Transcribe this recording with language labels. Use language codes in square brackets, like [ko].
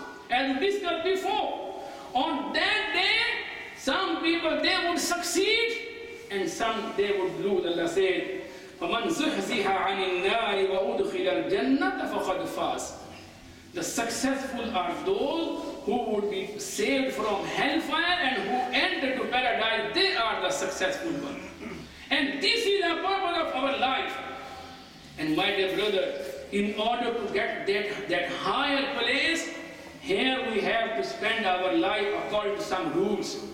[en] As we discussed before, on that day, some people, they would succeed, and some, they would lose. Allah said, [ar] فَمَنْ زُحْزِحَ عَنِ النَّارِ وَأُدْخِلَ الْجَنَّةَ فَقَدْ فَاسْ. [en] The successful are those who would be saved from hellfire and who enter to paradise, they are the successful one. And this is the purpose of our life. And my dear brother, in order to get that higher place, here we have to spend our life according to some rules.